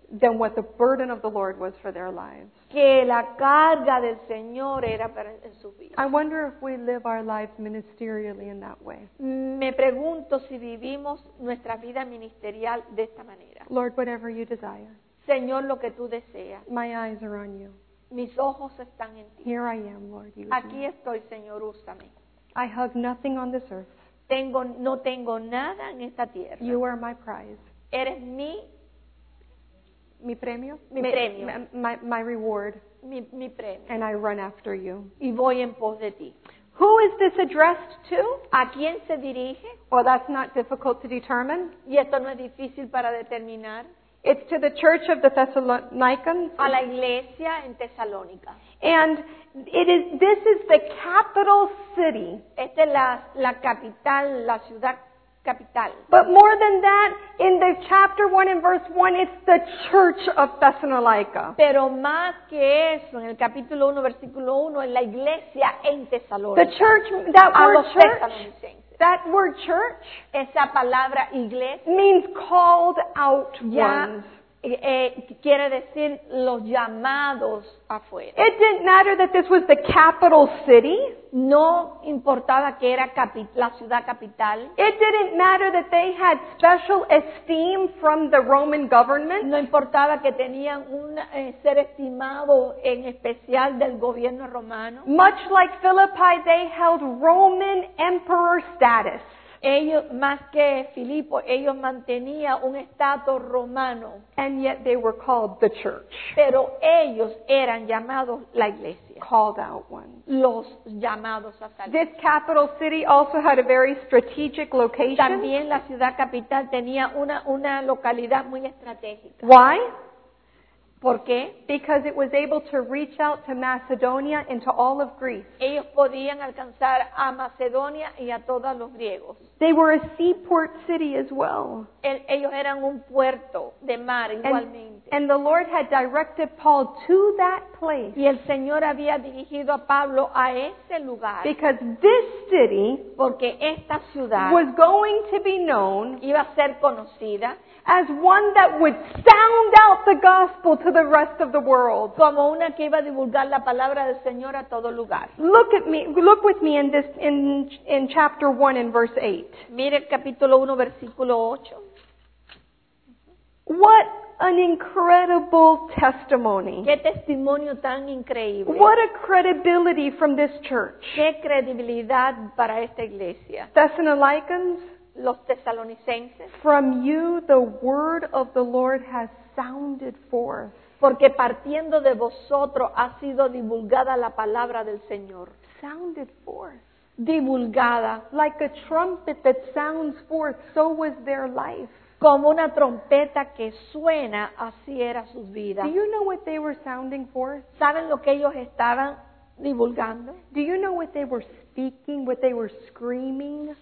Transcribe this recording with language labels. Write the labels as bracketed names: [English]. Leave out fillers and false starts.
[English] than what the burden of the Lord was for their lives. [Spanish] Que la carga del Señor era para en su vida. [English] I wonder if we live our lives ministerially in that way. [Spanish] Me pregunto si vivimos nuestra vida ministerial de esta manera. [English] Lord, whatever you desire. [Spanish] Señor, lo que tú deseas. [English] My eyes are on you. [Spanish] Mis ojos están en ti. [English] Here I am, Lord, use [Spanish] me. Aquí estoy, Señor, úsame. [English] I have nothing on this earth. [Spanish] No tengo nada en esta tierra. [English] You are my prize. [Spanish] Eres mi premio. Mi premio. [English] My reward. [Spanish] Mi premio. [English] And I run after you. [Spanish] Y voy en pos de ti. [English] Who is this addressed to? [Spanish] ¿A quién se dirige? [English] Well, that's not difficult to determine. [Spanish] Y esto no es difícil para determinar. [English] It's to the church of the Thessalonians. [Spanish] A la iglesia en Tesalónica. [English] And this is the capital city. [Spanish] Esta es la capital, la ciudad capital. [English] But more than that, in the chapter 1 and verse 1, it's the church of Thessalonica. [Spanish] Pero más que eso, en el capítulo 1, versículo 1, es la iglesia en Tesalónica. [English] The church, that word church. That word church, [Spanish] esa palabra iglesia, [English] means called out ones. [Spanish] Quiere decir los llamados afuera. [English] It didn't matter that this was the capital city. [Spanish] No importaba que era la ciudad capital. [English] It didn't matter that they had special esteem from the Roman government. [Spanish] No importaba que tenían un ser estimado en especial del gobierno romano. [English] Much like Philippi, they held Roman emperor status. [Spanish] Ellos, más que Filipo, ellos mantenían un estatus romano. [English] And yet they were called the church. [Spanish] Pero ellos eran llamados la iglesia. [English] Called out ones. [Spanish] Los llamados a salir. [English] This capital city also had a very strategic location. [Spanish] También la ciudad capital tenía una localidad muy estratégica. [English] Why? [Spanish] ¿Por qué? [English] Because it was able to reach out to Macedonia and to all of Greece. [Spanish] Ellos podían alcanzar a Macedonia y a todos los griegos. [English] They were a seaport city as well. [Spanish] Ellos eran un puerto de mar igualmente. [English] And the Lord had directed Paul to that place. [Spanish] Y el Señor había dirigido a Pablo a ese lugar. [English] Because this city, [Spanish] porque esta ciudad, [English] was going to be known, [Spanish] iba a ser conocida, [English] as one that would sound out the gospel to to the rest of the world. [Spanish] Como una que iba a divulgar la palabra del Señor a todo lugar. [English] Look at me, look with me in this in chapter 1 in verse 8. [Spanish] Mire el capítulo 1 versículo 8. [English] What an incredible testimony. [Spanish] Qué testimonio tan increíble. [English] What a credibility from this church. [Spanish] Qué credibilidad para esta iglesia. [English] Thessalonians, [Spanish] los tesalonicenses. [English] From you the word of the Lord has sounded forth. [Spanish] Porque partiendo de vosotros ha sido divulgada la palabra del Señor. [English] Sounded forth. [Spanish] Divulgada. [English] Like a trumpet that sounds forth, so was their life. [Spanish] Como una trompeta que suena, así era su vida. [English] Do you know what they were sounding for? [Spanish] ¿Saben lo que ellos estaban divulgando? [English] Do you know what they were speaking, what they were screaming?